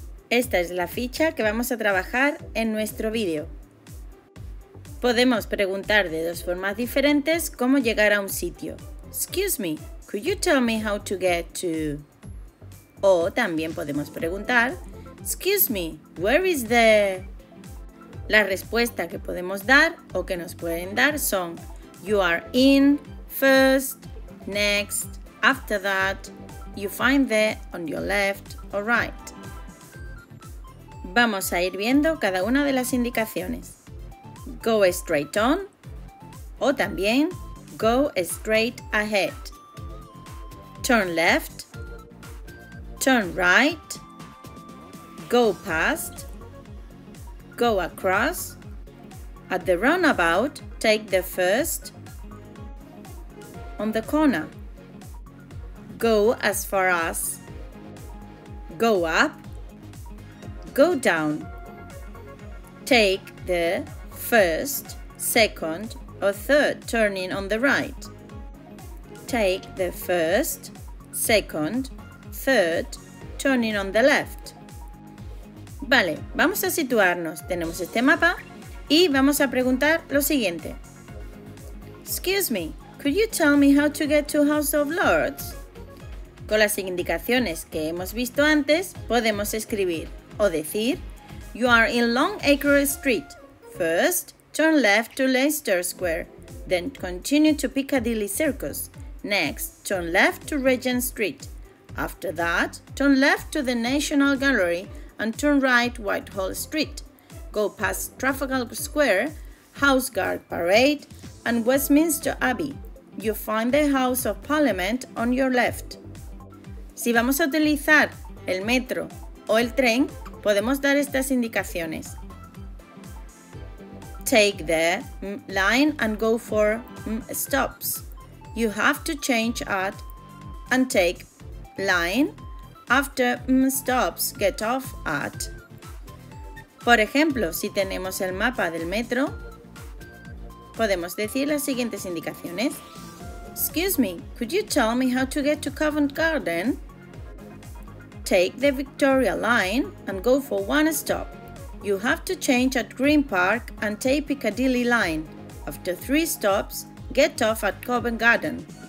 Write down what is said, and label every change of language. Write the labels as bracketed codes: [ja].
[es] Esta es la ficha que vamos a trabajar en nuestro vídeo. Podemos preguntar de dos formas diferentes cómo llegar a un sitio. [en] Excuse me, could you tell me how to get to... [es] O también podemos preguntar, [en] excuse me, where is the... [es] La respuesta que podemos dar o que nos pueden dar son... [en] You are in, first, next, after that, you find the, on your left, or right. [es] Vamos a ir viendo cada una de las indicaciones. [en] Go straight on, [es] o también, [en] go straight ahead. Turn left, turn right, go past, go across, at the roundabout, take the first, on the corner, go as far as, go up, go down, take the first, second, or third turning on the right, take the first, second, third turning on the left. [es] Vale, vamos a situarnos, tenemos este mapa y vamos a preguntar lo siguiente. [en] Excuse me, could you tell me how to get to House of Lords? [es] Con las indicaciones que hemos visto antes, podemos escribir o decir: [en] You are in Long Acre Street. First, turn left to Leicester Square. Then continue to Piccadilly Circus. Next, turn left to Regent Street. After that, turn left to the National Gallery and turn right Whitehall Street. Go past Trafalgar Square, House Guard Parade, and Westminster Abbey. You find the House of Parliament on your left. [es] Si vamos a utilizar el metro o el tren, podemos dar estas indicaciones. [en] Take the line and go for stops. You have to change at and take line after stops get off at. [es] Por ejemplo, si tenemos el mapa del metro, podemos decir las siguientes indicaciones. [en] Excuse me, could you tell me how to get to Covent Garden? Take the Victoria line and go for one stop. You have to change at Green Park and take Piccadilly line. After three stops, get off at Covent Garden.